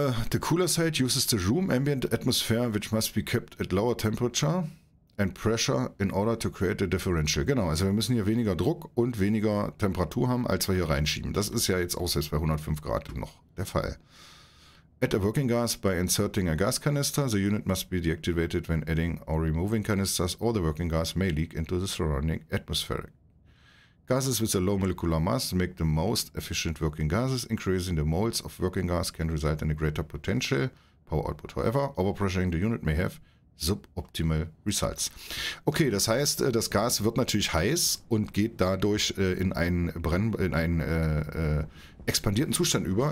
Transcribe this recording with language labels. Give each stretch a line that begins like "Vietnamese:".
English: The cooler side uses the room ambient atmosphere, which must be kept at lower temperature and pressure in order to create a differential.
German: Genau, also wir müssen hier weniger Druck und weniger Temperatur haben, als wir hier reinschieben. Das ist ja jetzt auch selbst bei 105 Grad noch der Fall.
English: Add a working gas by inserting a gas canister. The unit must be deactivated when adding or removing canisters, or the working gas may leak into the surrounding atmosphere. Gases with a low molecular mass make the most efficient working gases. Increasing the moles of working gas can result in a greater potential power output. However, overpressuring the unit may have suboptimal results.
German: Okay, das heißt, das Gas wird natürlich heiß und geht dadurch in einen expandierten Zustand über.